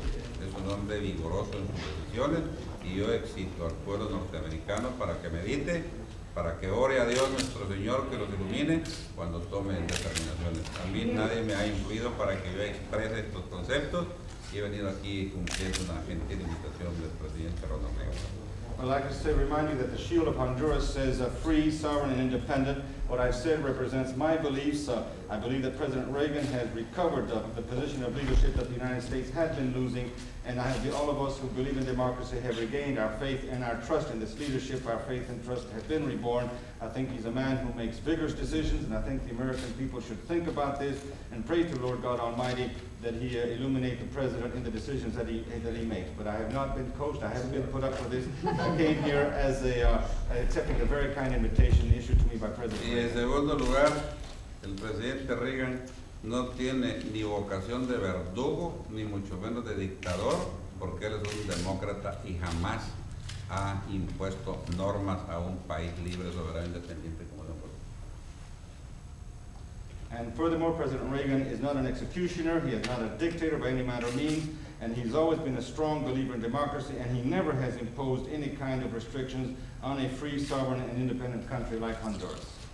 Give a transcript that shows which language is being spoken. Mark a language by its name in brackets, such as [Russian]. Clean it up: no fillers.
[Spanish] Es un hombre vigoroso en sus decisiones y yo exhorto al pueblo norteamericano para que medite, para que ore a Dios nuestro Señor que los ilumine cuando tomen determinaciones. A mí nadie me ha influido para que yo exprese estos conceptos y he venido aquí cumpliendo una gentil invitación del presidente Ronald Reagan. [English] I'd like to say, remind you that the shield of Honduras says free, sovereign, and independent. What I've said represents my beliefs. I believe that President Reagan has recovered the position of leadership that the United States had been losing, and all of us who believe in democracy have regained our faith and our trust in this leadership. Our faith and trust have been reborn. I think he's a man who makes vigorous decisions, and I think the American people should think about this and pray to Lord God Almighty that he illuminate the president in the decisions that he makes. But I have not been coached. I haven't been put up for this. I came here as accepting a very kind invitation issued to me by President Reagan. [Spanish] Y en segundo lugar, el presidente Reagan no tiene ni vocación de verdugo, ni mucho menos de dictador, porque él es un demócrata y jamás ha impuesto normas a un país libre, soberano, independiente como el nuestro. [English] And furthermore, President Reagan is not an executioner, he is not a dictator by any matter of means, and he's always been a strong believer in democracy, and he never has imposed any kind of restrictions on a free, sovereign, and independent country like Honduras.